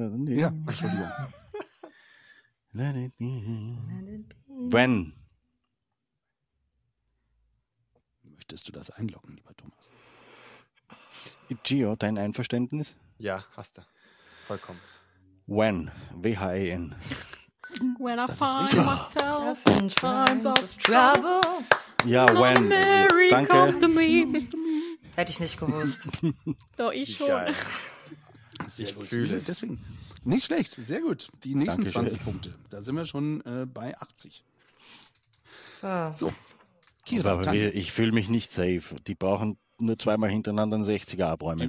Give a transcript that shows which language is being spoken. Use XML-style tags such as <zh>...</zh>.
<de>Ja, Entschuldigung.</de> <en>Let it be. When?</en> <de>Möchtest du das einloggen, lieber Thomas? Gio, dein Einverständnis? Ja, hast du. Vollkommen.</de> <en>When. W-H-E-N. When I find myself in times of trouble.</en> <de>Ja, when.</de> <en>Mary</en> <de>danke.</de> <en>Comes to me.</en> <de>Hätte ich nicht gewusst. Doch, ich schon. Ich fühle es. Deswegen. Nicht schlecht, sehr gut. Die nächsten Dankeschön. 20 Punkte. Da sind wir schon bei 80. So. Kira, ich fühle mich nicht safe. Die brauchen nur zweimal hintereinander einen 60er abräumen.</de>